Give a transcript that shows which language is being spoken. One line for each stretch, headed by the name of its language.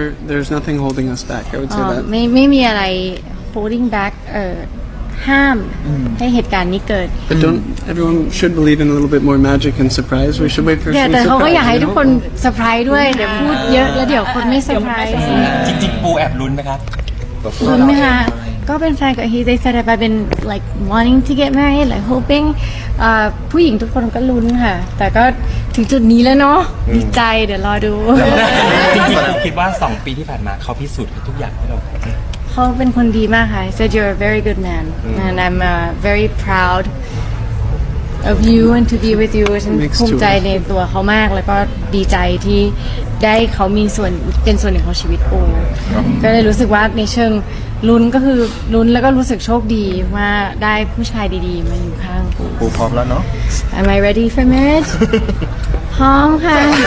English: There's nothing holding us back. I would say that.
Thai: ไม่มีอะไร
English: holding back.
Thai: ห้ามให้เหตุการณ์นี้เกิด
English: But don't everyone should believe in a little bit more magic and surprise. We should wait for some surprise.
Thai: แต่เขาก็อยากให้ทุกคนเซอร์ไพรส์ด้วยเดี๋ยวพูดเยอะแล้วเดี๋ยวคนไม่เซอร์ไพรส์จริงๆปูแอบลุ้นไหมครับ ลุ้นไหมคะก็เป็นแฟนกับ
English: he they said that I've been like wanting to get married like hoping
Thai: ผู้หญิงทุกคนก็ลุ้นค่ะแต่ก็ถึงจุดนี้แล้วเนาะดีใจเดี๋ยวรอดู จริงๆผมคิดว่า2ปีที่ผ่านมาเขาพิสูจน์ทุกอย่างให้เรา เขาเป็นคนดีมากค่ะ
English: said you're a very good man and I'm very proud of you and to be with you
Thai: ฉันภูมิใจในตัวเขามากแล้วก็ดีใจที่ได้เขามีส่วนเป็นส่วนหนึ่งของชีวิตโอก็เลยรู้สึกว่าในเชิงลุ้นก็คือลุ้นแล้วก็รู้สึกโชคดีว่าได้ผู้ชายดีๆมาอยู่ข้าง ปูพร้อมแล้วเน า ะ
English: Am I ready for marriage
Thai: พร้อมค่ะ